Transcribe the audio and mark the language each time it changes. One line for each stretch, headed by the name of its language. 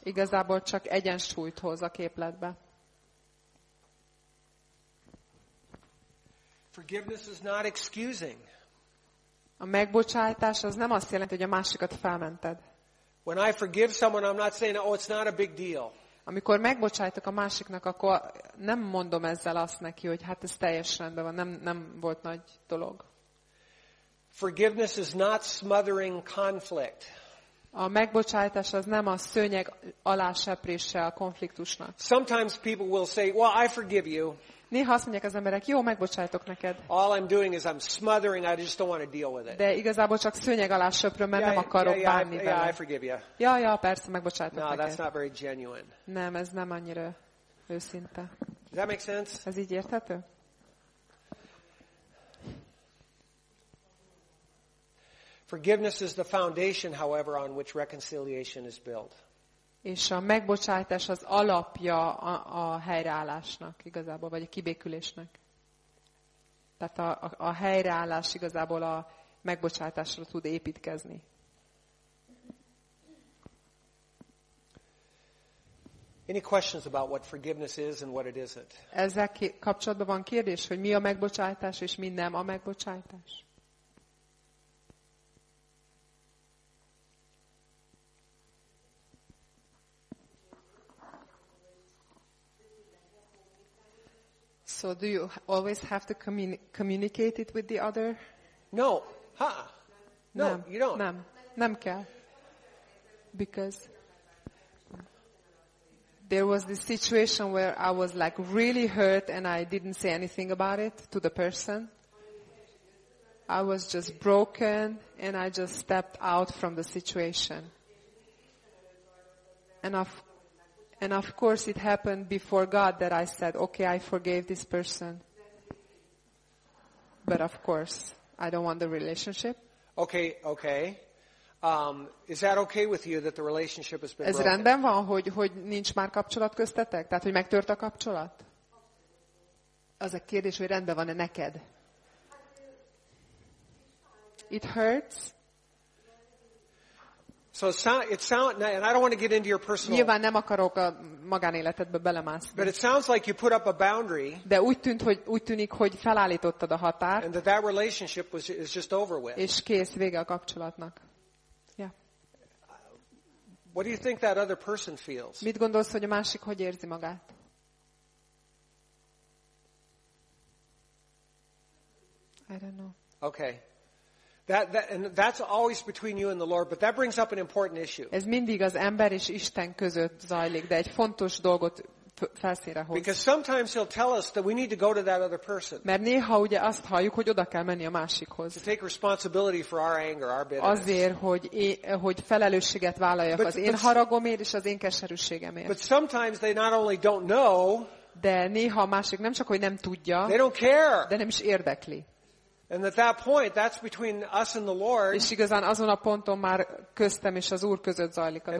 Hungarian: Igazából csak egyensúlyt hoz a képletbe.
English: Forgiveness is not excusing.
Hungarian: A megbocsájtás az nem azt jelenti, hogy a másikat felmented.
English: When I forgive someone, I'm not saying, oh, it's not a big deal.
Hungarian: Amikor megbocsájtok a másiknak, akkor nem mondom ezzel azt neki, hogy hát ez teljesen rendben van, nem volt nagy dolog.
English: Forgiveness is not smothering conflict.
Hungarian: A megbocsájtás az nem a szőnyeg aláseprése a konfliktusnak.
English: Sometimes people will say, well, I forgive you.
Hungarian: Néha azt mondják az emberek, jó, megbocsájtok neked.
English: All I'm doing is I'm smothering, I just don't want to deal with it.
Hungarian: De igazából csak szőnyeg alá söpröm, mert nem akarok bánni vele.
English: Yeah, I forgive you.
Hungarian: Ja, persze, megbocsájtok neked.
English: No, that's not very genuine.
Hungarian: Nem, ez nem annyira őszinte.
English: Does that make sense?
Hungarian: Ez így érthető?
English: Forgiveness is the foundation, however, on which reconciliation is built.
Hungarian: És a megbocsájtás az alapja a helyreállásnak igazából, vagy a kibékülésnek. Tehát a helyreállás igazából a megbocsátásra tud építkezni.
English: Any questions about what forgiveness is and what it isn't?
Hungarian: Ezzel kapcsolatban van kérdés, hogy mi a megbocsátás és mi nem a megbocsátás?
English: So do you always have to communicate it with the other? No. Ha. Huh. No,
Hungarian: nem.
English: You don't.
Hungarian: Nem kell.
English: Because there was this situation where I was like really hurt and I didn't say anything about it to the person. I was just broken and I just stepped out from the situation. And of course it happened before God that I said, okay, I forgave this person. But of course, I don't want the relationship. Okay. Is that okay with you that the relationship has been broken?
Hungarian: Ez rendben van, hogy nincs már kapcsolat köztetek? Tehát, hogy megtört a kapcsolat? Az a kérdés, hogy rendben van-e neked?
English: It hurts. So it sounds, and I don't want to get into your personal.
Hungarian: Nyilván nem akarok a magánéletedbe belemászni.
English: But it sounds like you put up a boundary.
Hungarian: De úgy tűnik, hogy felállítottad a határt.
English: And that relationship is just over with.
Hungarian: És kész, vége a kapcsolatnak.
English: Yeah. What do you think that other person feels?
Hungarian: Mit gondolsz, hogy a másik hogy érzi magát?
English: I don't know. Okay. That's always between you and the Lord, but that brings up an important issue.
Hungarian: Ez mindig az ember és Isten között zajlik, de egy fontos dolgot felszínre hoz.
English: Because sometimes he'll tell us that we need to go to that other person.
Hungarian: Mert néha ugye azt halljuk, hogy oda kell menni a másikhoz.
English: To take responsibility for our anger, our bitterness.
Hungarian: Azért, hogy felelősséget vállaljak az én haragomért és az én keserűségemért.
English: But sometimes they not only don't know.
Hungarian: De néha a másik nem csak hogy nem tudja.
English: They don't care.
Hungarian: De nem is érdekli.
English: And at that point, that's between us and the Lord.
Hungarian: És igazán azon a ponton már köztem és az Úr között zajlik a dolog.